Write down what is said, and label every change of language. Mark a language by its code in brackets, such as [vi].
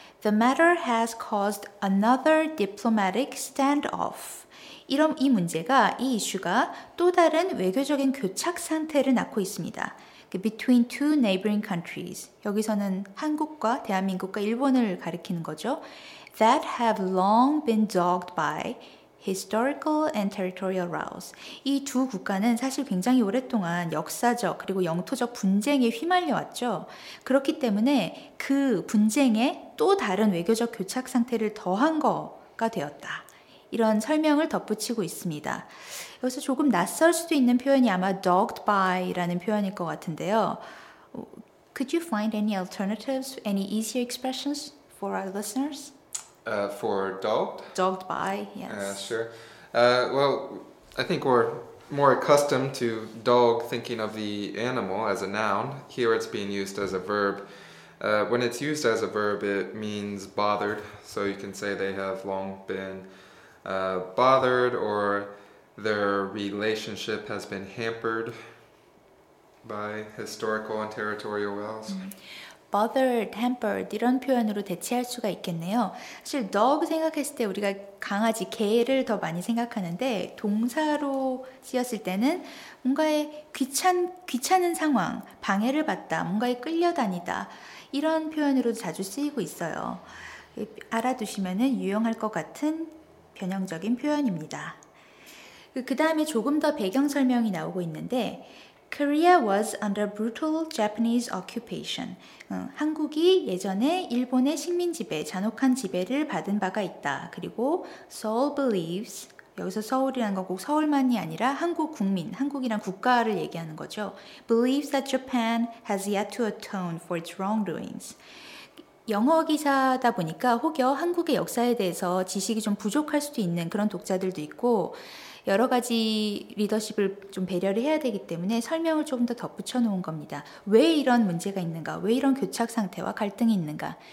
[en] The matter has caused another diplomatic standoff. [ko] 이런 이 문제가, 이 이슈가 또 다른 외교적인 교착 상태를 낳고 있습니다. [en] Between two neighboring countries. [ko] 여기서는 한국과 대한민국과 일본을 가리키는 거죠. [en] That have long been dogged by historical and territorial rows. [ko] 이 두 국가는 사실 굉장히 오랫동안 역사적 그리고 영토적 분쟁에 휘말려왔죠. 그렇기 때문에 그 분쟁에 또 다른 외교적 교착 상태를 더한 거가 되었다. 이런 설명을 덧붙이고 있습니다. 여기서 조금 낯설 수도 있는 표현이 아마 dogged by라는 표현일 것 같은데요. [en] Could you find any alternatives, any easier expressions for our listeners? For dogged? Dogged by, yes. Sure. Well, I think we're more accustomed to dog thinking of the animal as a noun. Here it's being used as a verb. When it's used as a verb, it means bothered. So you can say they have long been bothered or their relationship has been hampered by historical and territorial wells. [ko] Bothered, hampered 이런 표현으로 대체할 수가 있겠네요. 사실 dog 생각했을 때 우리가 강아지, 개를 더 많이 생각하는데 동사로 쓰였을 때는 뭔가의 귀찮은 상황, 방해를 받다, 뭔가에 끌려다니다 이런 표현으로도 자주 쓰이고 있어요. 알아두시면 유용할 것 같은 변형적인 표현입니다. 그 다음에 조금 더 배경 설명이 나오고 있는데 [en] Korea was under brutal Japanese occupation. [ko] 한국이 예전에 일본의 식민 지배, 잔혹한 지배를 받은 바가 있다. 그리고 [en] Seoul believes, [ko] 여기서 서울이라는 건 꼭 서울만이 아니라 한국 국민, 한국이란 국가를 얘기하는 거죠. [en] Believes that Japan has yet to atone for its wrongdoings. [ko] 영어 기사다 보니까 혹여 한국의 역사에 대해서 지식이 좀 부족할 수도 있는 그런 독자들도 있고 여러 가지 리더십을 좀 배려를 해야 되기 때문에 설명을 조금 더 덧붙여 놓은 겁니다. 왜 이런 문제가 있는가? 왜 이런 교착 상태와 갈등이 있는가?